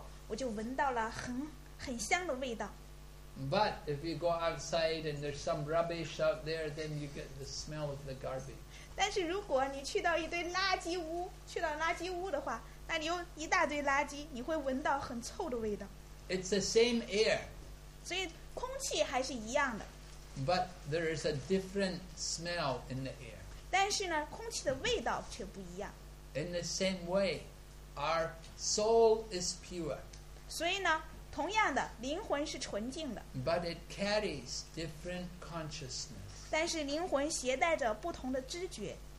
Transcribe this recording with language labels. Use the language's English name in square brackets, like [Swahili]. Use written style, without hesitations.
[Chinese] 就像是你去到一个花园，然后你从那里经过。今天早上呢，我走到这个房间，你从这一大束花旁边经过以后，我就闻到了很香的味道。 [English] But if you go outside and there's some rubbish out there, then you get the smell of the garbage. [Chinese] 但是如果你去到一堆垃圾屋，去到垃圾屋的话，那里有一大堆垃圾，你会闻到很臭的味道。 [English] It's the same air. [Chinese] 所以空气还是一样的。 [English] But there is a different smell in the air. [Chinese] 但是呢，空气的味道却不一样。 [English] In the same way, our soul is pure. [Chinese] 所以呢。同样的，灵魂是纯净的。 [English] But it carries different consciousness. [Chinese] 但是灵魂携带着不同的知觉。